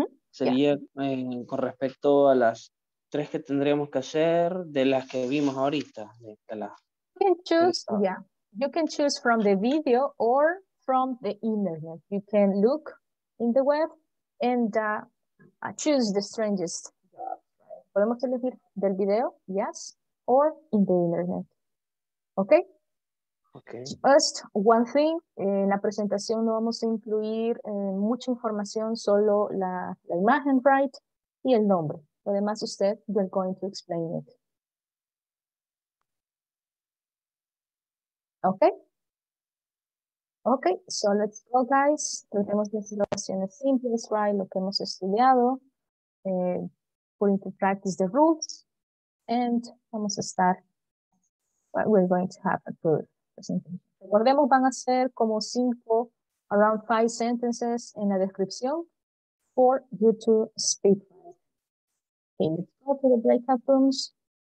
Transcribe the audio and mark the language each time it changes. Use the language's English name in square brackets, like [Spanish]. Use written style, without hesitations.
[Spanish] Sería con respecto a las tres que tendríamos que hacer de las que vimos ahorita. [English] You can choose, you can choose from the video or from the internet. You can look in the web and choose the strangest. [Spanish] Podemos elegir del video, [English] yes, or in the internet. Okay? Okay. Just one thing, [Spanish] en la presentación no vamos a incluir mucha información, solo la imagen, right, y el nombre. Además, usted, [English] you're going to explain it. Okay? Okay, so let's go, guys. [Spanish] Tratemos las situaciones simples, right, lo que hemos estudiado. [English] Put into practice the rules. And [Spanish] vamos a [English] start what we're going to have a good. [Spanish] Recordemos, van a ser como cinco, [English] around five sentences [Spanish] en la descripción [English] for you to speak. Okay, let's go to the breakout rooms.